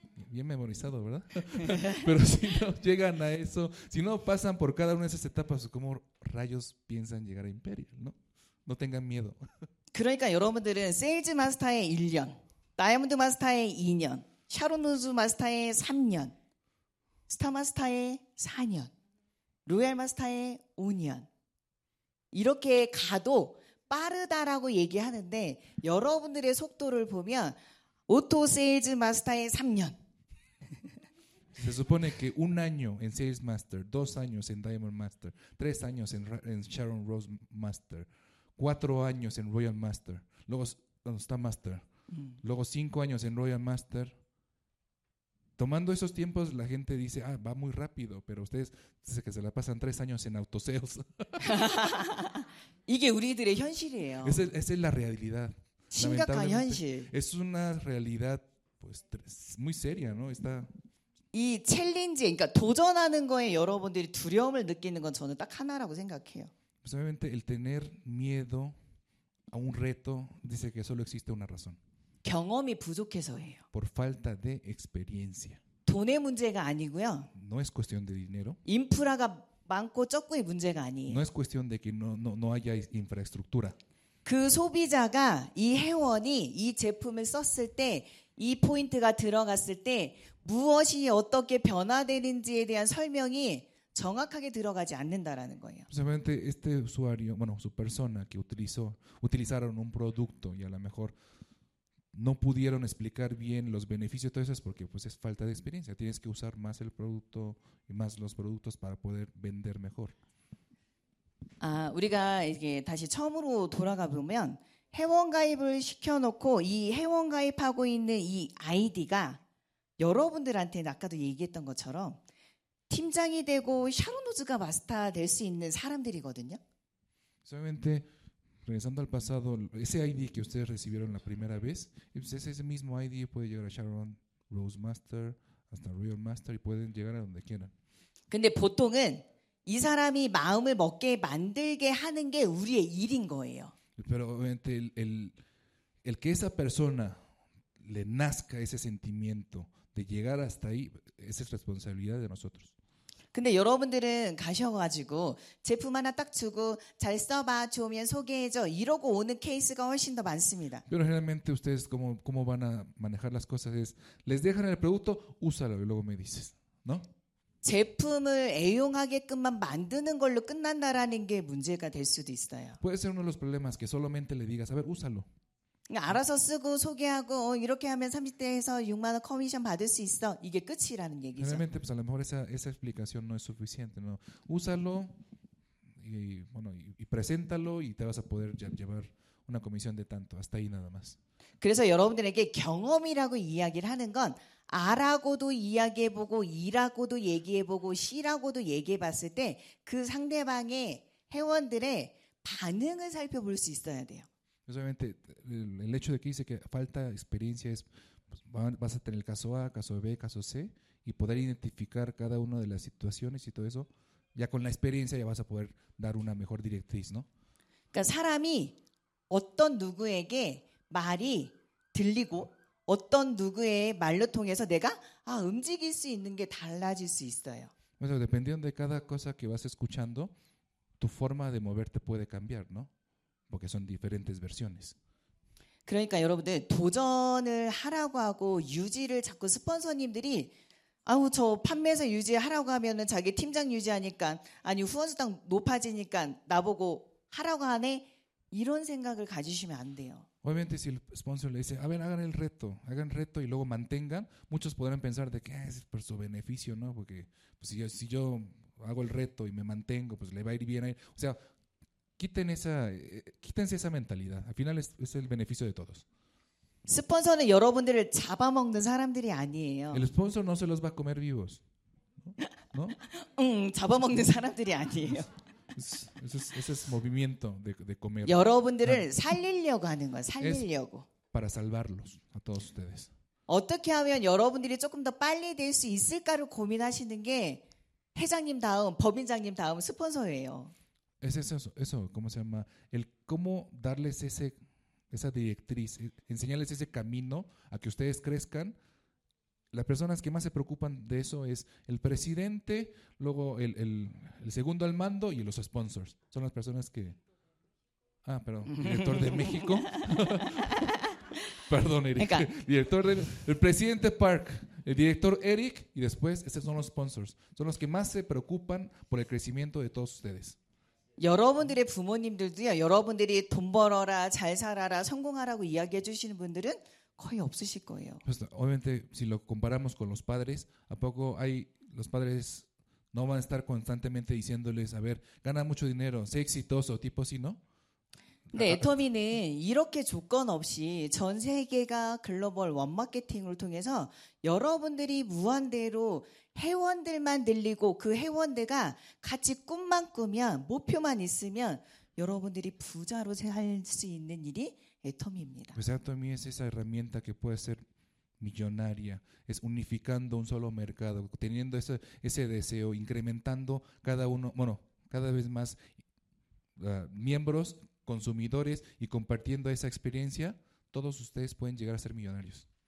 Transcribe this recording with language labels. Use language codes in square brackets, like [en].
[es] Bien memorizado, ¿verdad? Pero si no llegan a eso, si no pasan por cada una de esas etapas, ¿cómo rayos piensan llegar a Imperial, no? No tengan miedo. [ko] 그러니까 여러분들은 Sales Master의 1년, Diamond Master의 2년. 샤론우즈 마스터의 3년, 스타 마스터의 4년, 로얄 마스터의 5년 이렇게 가도 빠르다라고 얘기하는데 여러분들의 속도를 보면 오토 세일즈 마스터의 3년. [es] Se supone que un año en sales master, dos años en diamond master, tres años en Sharon Rose master, cuatro años en royal master, luego star master, luego cinco años en royal master. Tomando esos tiempos, la gente dice, ah, va muy rápido, pero ustedes dicen que se la pasan tres años en autosales. [ko] 이게 우리들의 현실이에요. [es] Esa es la realidad. [ko] 심각한 현실. [es] Es una realidad pues, muy seria, ¿no? Está... [ko] 이 챌린지, 그러니까 도전하는 거에 여러분들이 두려움을 느끼는 건 저는 딱 하나라고 생각해요. [es] Pues obviamente, el tener miedo a un reto dice que solo existe una razón. [ko] 경험이 부족해서예요. [es] Por falta de experiencia. [ko] 돈의 문제가 아니고요. [es] No es cuestión de dinero. [ko] 인프라가 많고 적고의 문제가 아니에요. [es] No es cuestión de que no haya infraestructura. [ko] 그 소비자가 이 회원이 이 제품을 썼을 때 이 포인트가 들어갔을 때 무엇이 어떻게 변화되는지에 대한 설명이 정확하게 들어가지 않는다라는 거예요. [es] Precisamente este usuario, bueno, su persona que utilizaron un producto y a lo mejor no pudieron explicar bien los beneficios de todo eso porque pues es falta de experiencia. Tienes que usar más el producto y más los productos para poder vender mejor. [ko] 아, 우리가 이게 다시 처음으로 돌아가 보면 회원 가입을 시켜 놓고 이 회원 가입하고 있는 이 아이디가 여러분들한테 아까도 얘기했던 것처럼 팀장이 되고 샤론우즈가 마스터 될 수 있는 사람들이거든요. [es] Solamente regresando al pasado, ese ID que ustedes recibieron la primera vez, es ese mismo ID puede llegar a Sharon Rose Master, hasta Royal Master y pueden llegar a donde quieran. [ko] 근데 보통은 이 사람이 마음을 먹게 만들게 하는 게 우리의 일인 거예요. [es] Pero obviamente el que esa persona le nazca ese sentimiento de llegar hasta ahí, esa es responsabilidad de nosotros. [ko] 근데 여러분들은 가셔가지고 제품 하나 딱 주고 잘 써봐 좋으면 소개해줘 이러고 오는 케이스가 훨씬 더 많습니다. [es] Pero realmente ustedes cómo van a manejar las cosas es les dejan el producto úsalo y luego me dices, ¿no? [ko] 제품을 애용하게끔만 만드는 걸로 끝난다라는 게 문제가 될 수도 있어요. [es] Puede ser uno de los problemas que solamente le digas, a ver, úsalo. [ko] 알아서 쓰고 소개하고 이렇게 하면 30대에서 6만 원 커미션 받을 수 있어. 이게 끝이라는 얘기죠. [es] Realmente, pues a lo mejor esa explicación no es suficiente, ¿no? Úsalo y preséntalo y te vas a poder llevar una comisión de tanto. Hasta ahí nada más. [ko] 그래서 여러분들에게 경험이라고 이야기를 하는 건 아라고도 이야기해보고 이라고도 얘기해보고 시라고도 얘기해봤을 때 그 상대방의 회원들의 반응을 살펴볼 수 있어야 돼요. [es] Obviamente, el hecho de que dice que falta experiencia es vas a tener el caso A, caso B, caso C y poder identificar cada una de las situaciones y todo eso ya con la experiencia ya vas a poder dar una mejor directriz, ¿no? [ko] 그러니까 사람이 어떤 누구에게 말이 들리고 어떤 누구의 말로 통해서 내가 움직일 수 있는 게 달라질 수 있어요. [es] Bueno, dependiendo de cada cosa que vas escuchando, tu forma de moverte puede cambiar, ¿no? Porque son diferentes versiones. [ko] 그러니까 여러분들 도전을 하라고 하고 유지를 자꾸 스폰서님들이 아우 저 판매사 유지하라고 하면은 자기 팀장 유지하니까 아니 후원수당 높아지니까 나보고 하라고 하네 이런 생각을 가지시면 안 돼요. [es] Obviamente si el sponsor le dice, a ver, hagan el reto y luego mantengan, muchos podrán pensar de que es por su beneficio, ¿no? Porque pues, si yo hago el reto y me mantengo, pues le va a ir bien. O sea, quítense esa mentalidad. Al final es el beneficio de todos. El sponsor no se los va a comer vivos. ¿No? [ko] 잡아먹는 사람들이 아니에요. [es] Ese es movimiento de comer. [ko] 여러분들을 살리려고 하는 거, 살리려고. [es] Para salvarlos a todos ustedes. [ko] 어떻게 하면 여러분들이 조금 더 빨리 될 수 있을까를 고민하시는 게 회장님 다음, 법인장님 다음 스폰서예요. [es] Eso, ¿cómo se llama? El cómo darles esa directriz, enseñarles ese camino a que ustedes crezcan. Las personas que más se preocupan de eso es el presidente, luego el segundo al mando y los sponsors. Son las personas que... Ah, perdón, director de México. Perdón, Eric. El presidente Park, el director Eric y después esos son los sponsors. Son los que más se preocupan por el crecimiento de todos ustedes. [ko] 여러분들의 부모님들도요, 여러분들이 돈 벌어라, 잘 살아라, 성공하라고 이야기해 주시는 분들은 거의 없으실 거예요. [es] Pues, obviamente, si lo comparamos con los padres, ¿a poco hay los padres no van a estar constantemente diciéndoles, a ver, gana mucho dinero, sé exitoso, tipo así, ¿no? [ko] 네, 애터미는 이렇게 조건 없이 전 세계가 글로벌 원마케팅을 통해서 여러분들이 무한대로 회원들만 늘리고 그 회원들과 같이 꿈만 꾸면, 목표만 있으면 여러분들이 부자로 살 수 있는 일이 애터미입니다. [es] Pues Atomy es esa herramienta que puede ser millonaria, es unificando un solo mercado, teniendo ese deseo, incrementando cada uno, bueno, cada vez más miembros, consumidores y compartiendo esa experiencia, todos ustedes pueden llegar a ser millonarios.